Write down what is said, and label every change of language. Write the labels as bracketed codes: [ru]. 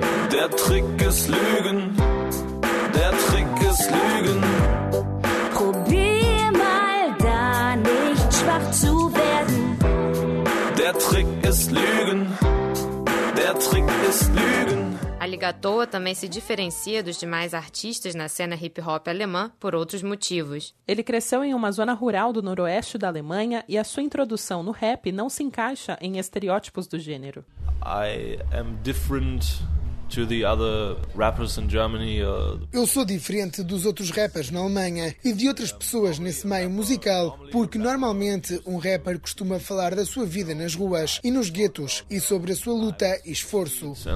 [de] Der Trick ist Lügen, der Trick ist Lügen. Probier mal da nicht schwach zu werden. Der Trick ist Lügen, der Trick ist Lügen. [pt] Alligatoa também se diferencia dos demais artistas na cena hip-hop alemã por outros motivos. Ele cresceu em uma zona rural do noroeste da Alemanha e a sua introdução no rap não se encaixa em estereótipos do gênero. [en] I am different to the other rappers in Germany. [pt] Eu sou diferente dos outros rappers na Alemanha e de outras pessoas nesse meio musical, porque normalmente um rapper costuma falar da sua vida nas ruas e nos guetos e sobre a sua luta e esforço.